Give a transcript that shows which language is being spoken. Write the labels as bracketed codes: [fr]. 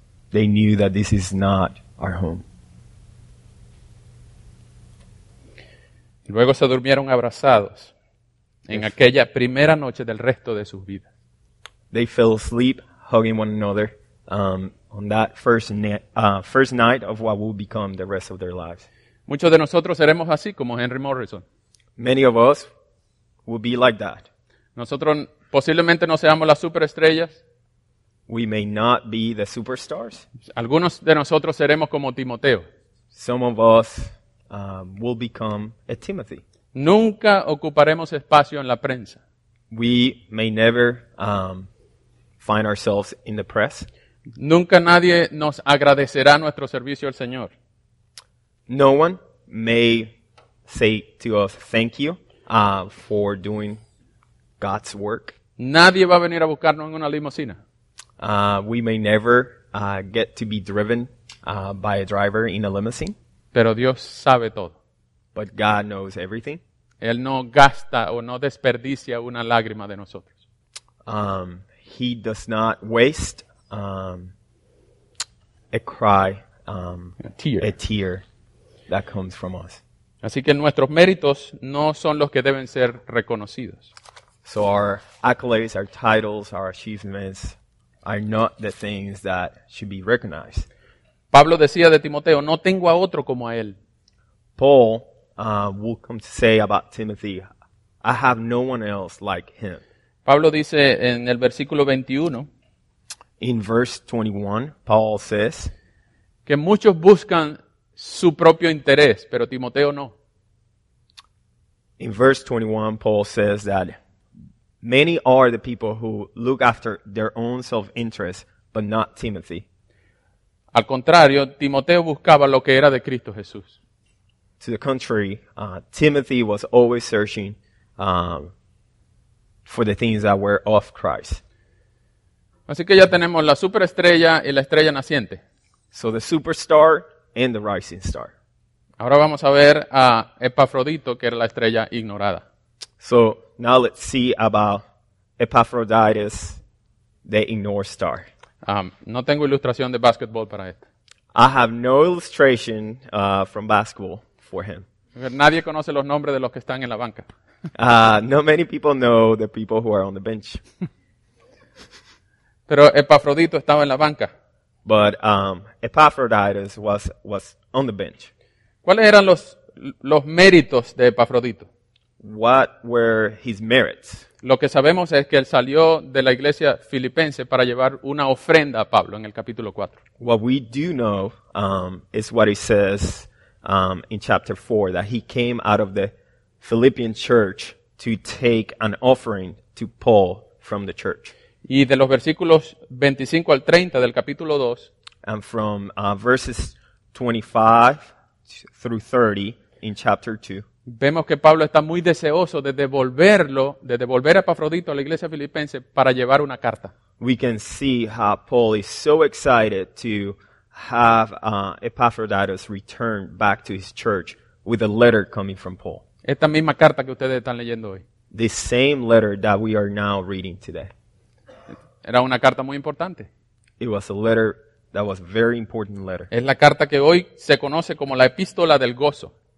[en] They knew that this is not our home. [es] Luego se durmieron abrazados en aquella primera noche del resto de sus vidas. [en] They fell asleep hugging one another on that first night of what will become the rest of their lives. [es] Muchos de nosotros seremos así como Henry Morrison. [en] Many of us will be like that. [es] Nosotros posiblemente no seamos las superestrellas. [en] We may not be the superstars. [es] Algunos de nosotros seremos como Timoteo. [en] Some of us will become a Timothy. [es] Nunca ocuparemos espacio en la prensa. [en] We may never find ourselves in the press. [es] Nunca nadie nos agradecerá nuestro servicio al Señor. [en] No one may say to us, thank you for doing God's work. [es] Nadie va a venir a buscarnos en una limusina. [en] We may never get to be driven by a driver in a limousine. [es] Pero Dios sabe todo. [en] But God knows everything. [es] Él no gasta o no desperdicia una lágrima de nosotros. [en] He does not waste a cry, a tear that comes from us. [es] Así que nuestros méritos no son los que deben ser reconocidos. [en] So our accolades, our titles, our achievements are not the things that should be recognized. [es] Pablo decía de Timoteo, no tengo a otro como a él. [en] Paul will come to say about Timothy, I have no one else like him. [es] Pablo dice en el versículo 21, [en] in verse 21, Paul says, [es] que muchos buscan su propio interés, pero Timoteo no. [en] In verse 21, Paul says that many are the people who look after their own self-interest, but not Timothy. [es] Al contrario, Timoteo buscaba lo que era de Cristo Jesús. [en] To the contrary, Timothy was always searching for the things that were of Christ. [es] Así que ya tenemos la superestrella y la estrella naciente. [en] So the superstar and the rising star. [es] Ahora vamos a ver a Epafrodito, que era la estrella ignorada. [en] So now let's see about Epaphroditus, the ignored star. [es] No tengo ilustración de basketball para esto. [en] I have no illustration from basketball for him. [es] Nadie conoce los nombres de los que están en la banca. [en] No many people know the people who are on the bench. [es] Pero Epafrodito estaba en la banca. [en] But Epaphroditus was on the bench. [es] ¿Cuáles eran los méritos de Epafrodito? [en] What were his merits? [es] Lo que sabemos es que él salió de la iglesia filipense para llevar una ofrenda a Pablo en el capítulo 4. [en] What we do know is what he says in chapter 4, that he came out of the Philippian church to take an offering to Paul from the church. [es] Y de los versículos 25 al 30 del capítulo 2. [en] And from verses 25 through 30 in chapter 2. [es] Vemos que Pablo está muy deseoso de devolverlo, de devolver a Epafrodito a la iglesia filipense para llevar una carta. [en] We can see how Paul is so excited to have Epaphroditus return back to his church with a letter coming from Paul. [es] Esta misma carta que ustedes están leyendo hoy. [en] The same letter that we are now reading today. [es] Era una carta muy importante. [en] It was a letter that was a very important letter. [es] Es la carta que hoy se conoce como la epístola del gozo.